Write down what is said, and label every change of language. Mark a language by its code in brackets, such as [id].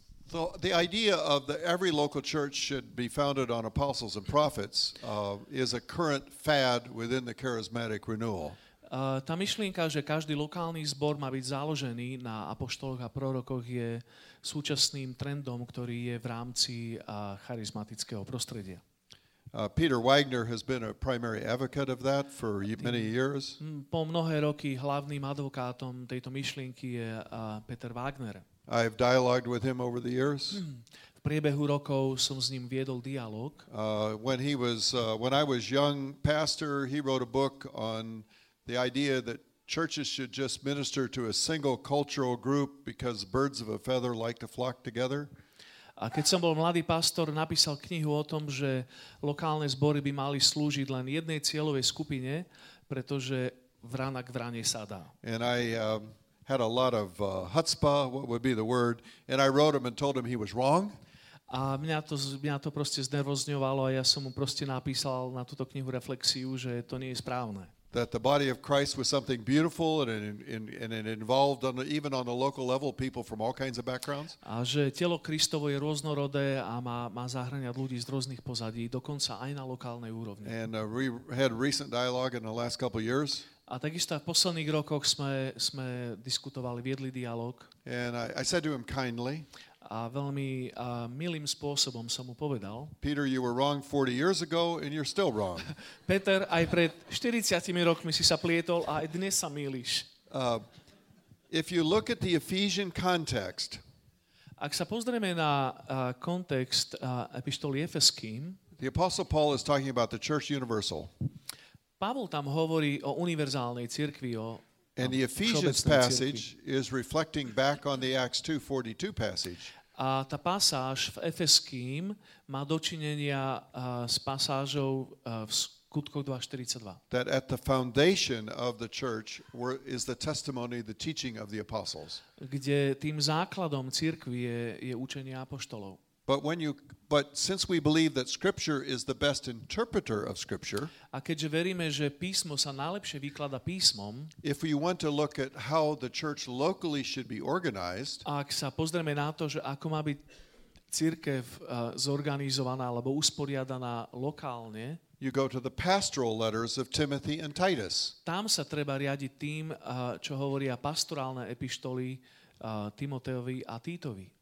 [en] So the idea of the every local church should be founded on apostles and prophets is a current fad within the charismatic renewal. [sk] Tá myšlienka, že každý lokálny zbor má byť založený na apoštoloch a prorokoch je súčasným trendom, ktorý je v rámci charizmatického prostredia. [en] Peter Wagner has been a primary advocate of that for many years. [sk] Po mnohé roky hlavným advokátom tejto myšlienky je Peter Wagner. [en] I have dialogued with him over the years. [sk] V priebehu rokov som s ním viedol dialog. [en] When I was young pastor, he wrote a book on the idea that churches should just minister to a single cultural group because birds of a feather like to flock together. [sk] A keď som bol mladý pastor, napísal knihu o tom, že lokálne zbory by mali slúžiť len jednej cieľovej skupine, pretože vrana k vrane sa dá. [en] And I had a lot of chutzpah, what would be the word, and I wrote him and told him he was wrong. [sk] A mňa to proste znervozňovalo a ja som mu proste napísal na túto knihu reflexiu, že to nie je správne. [en] That the body of Christ was something beautiful and it involved on the, even on the local level people from all kinds of backgrounds. [sk] A že telo Kristovo je rôznorodé a má zahŕňať ľudí z rôznych pozadí, dokonca aj na lokálnej úrovni. [en] And we had recent dialogue in the last couple years. [sk] A takisto v posledných rokoch sme diskutovali, viedli dialog. [en] And I said to him kindly. [sk] A veľmi milým spôsobom som mu povedal. [en] Peter, you were wrong 40 years ago and you're still wrong. [sk] Peter, aj pred 40 rokmi si sa plietol a aj dnes sa mýliš. [en] If you look at the Ephesian context. [sk] Ak sa pozrieme na kontext epištoly Efeským. [en] The apostle Paul is talking about the church universal. [sk] Pavol tam hovorí o univerzálnej cirkvi, o [en] And the Ephesians passage is reflecting back on the Acts 2:42 passage. [sk] A tá pasáž v Efeským má dočinenia s pasážou v Skutkoch 2:42. [en] That at the foundation of the church is the testimony, the teaching of the apostles. [sk] Kde tým základom cirkvi je učenie apoštolov. [en] But since we believe that scripture is the best interpreter of scripture, [sk] a keďže veríme, že písmo sa najlepšie vykladá písmom, [en] if we want to look at how the church locally should be organized, [sk] ak sa pozrieme na to, že ako má byť cirkev zorganizovaná alebo usporiadaná lokálne, [en] you go to the pastoral letters of Timothy and Titus. [sk] Tam sa treba riadiť tým, čo hovoria pastorálne epištoly Timoteovi a Titovi.